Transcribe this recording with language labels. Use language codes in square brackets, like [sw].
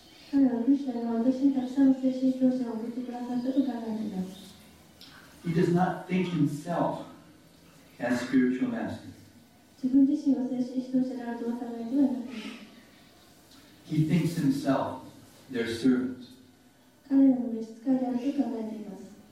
[ja] 彼はクリスナが私にたくさんの精神教師を送ってくださったと考えています。 [en] He does not think himself as spiritual master. [ja] 自分自身を精神教師であると考えてはなくて。 [en] He thinks himself their servant. [ja] 彼の召使いであると考えています。